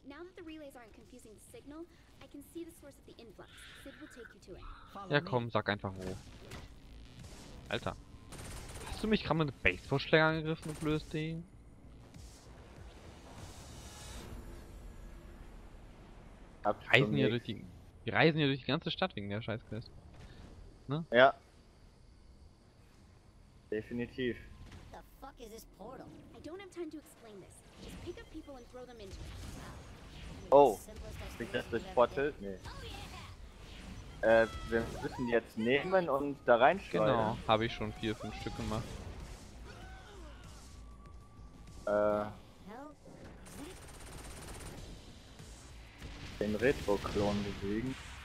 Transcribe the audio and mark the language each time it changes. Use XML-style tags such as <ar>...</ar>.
<en>Now that the relays aren't confusing the signal, I can see the source of the influx. Sid will take you to it.</en> <de>Ja komm, sag einfach wo. Alter. Hast du mich gerade mit einem Baseballschläger angegriffen und löst den? Reisen hier durch die. Wir reisen hier durch die ganze Stadt wegen der Scheißquest. Ne? Ja.</de> <en>Definitiv. The fuck is this portal? I don't have time to explain this. Just pick up people and throw them into it.</en> <de>Oh. Ist das durch Portal? Nee. Oh, yeah. Wir müssen jetzt nehmen und da reinschleudern. Genau, habe ich schon 4-5 Stück gemacht. Den Retro-Klon bewegen.</de>